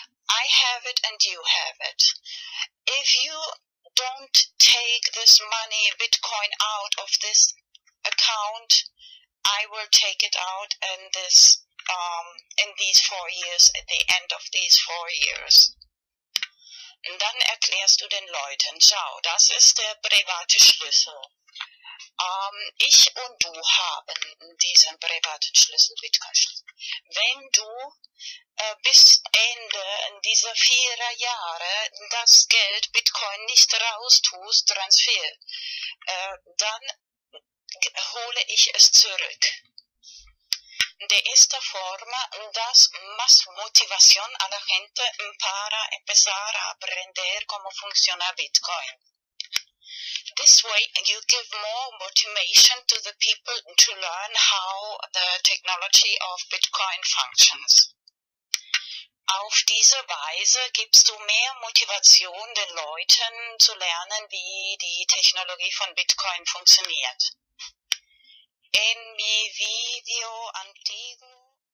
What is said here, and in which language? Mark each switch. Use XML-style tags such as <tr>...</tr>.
<en>I have it and you have it. If you don't take this money, Bitcoin, out of this account, I will take it out in this, in these 4 years, at the end of these 4 years.</en> <de>Dann erklärst du den Leuten, schau, das ist der private Schlüssel. Ich und du haben diesen privaten Schlüssel, Bitcoin-Schlüssel. Wenn du bis Ende dieser 4 Jahre das Geld Bitcoin nicht raustust, Transfer, dann hole ich es zurück.</de> <es>De esta forma das más motivación a la gente para empezar a aprender cómo funciona Bitcoin.</es> <en>This way you give more motivation to the people to learn how the technology of Bitcoin functions.</en> <de>Auf diese Weise gibst du mehr Motivation den Leuten zu lernen, wie die Technologie von Bitcoin funktioniert.</de> <es>En mi video antiguo.</es>